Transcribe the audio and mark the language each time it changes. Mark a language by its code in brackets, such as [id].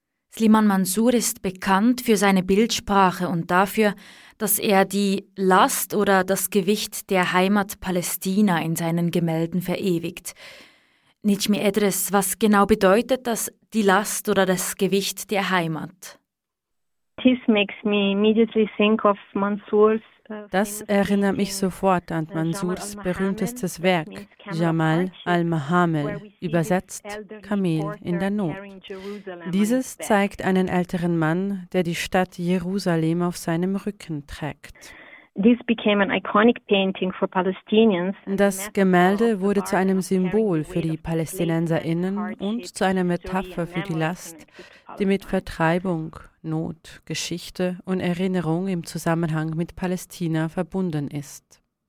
[de] Sliman Mansour ist bekannt für seine Bildsprache und dafür, dass er die Last oder das Gewicht der Heimat Palästina in seinen Gemälden verewigt. Nijmi Ederes, was genau bedeutet das, die Last oder das Gewicht der Heimat? [en] This makes me immediately think of Mansour's. [de] Das erinnert mich sofort an Mansours berühmtestes Werk, Jamal al-Mahamel, übersetzt Kamel in der Not. Dieses zeigt einen älteren Mann, der die Stadt Jerusalem auf seinem Rücken trägt. Das Gemälde wurde zu einem Symbol für die PalästinenserInnen und zu einer Metapher für die Last, die mit Vertreibung, Not, Geschichte und Erinnerung im Zusammenhang mit Palästina verbunden ist.